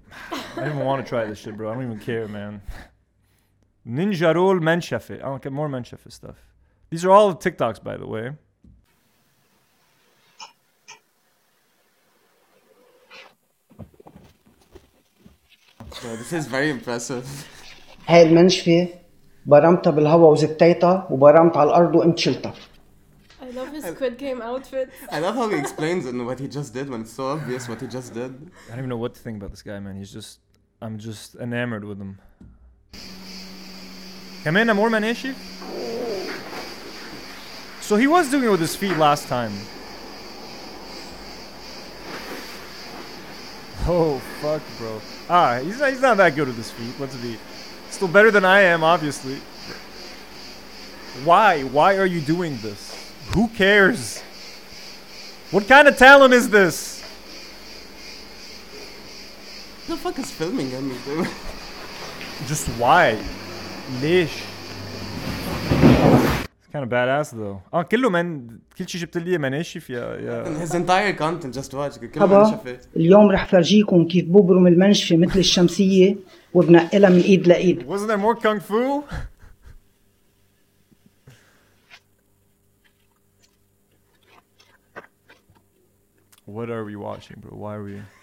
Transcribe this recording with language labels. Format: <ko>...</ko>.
<en>I don't even want to try this shit, bro. I don't even care, man. Ninja roll منشفة. I don't get more منشفة stuff. These are all TikToks, by the way. Yeah, this is very impressive.</en> <ar>هاي المنشفة برمتها بالهواء وزتيتها وبرمت على الأرض وانت شلتها.</ar> <en>I love his Squid Game outfit. I love how he explains and what he just did when it's so obvious what he just did. I don't even know what to think about this guy, man. He's just, I'm just enamored with him.</en> <ar>كمان more منشفة.</ar> <en>So he was doing it with his feet last time. Oh fuck, bro. Ah, he's not that good with his feet. Let's be still better than I am, obviously. Why are you doing this? Who cares? What kind of talent is this? Who the fuck is filming at me, dude? Just why? Leesh. It's kind of badass though.</en> <ar>Ah, كله من كل شيء جبت لي منشف يا يا.</ar> <en>His entire content just watch.</en> <ar>هبا اليوم رح فرجيكم كيف ببرم المنشفة مثل الشمسية وبنقلها من إيد لإيد.</ar> <en>Wasn't there more kung fu? What are we watching, bro? Why are we?</en>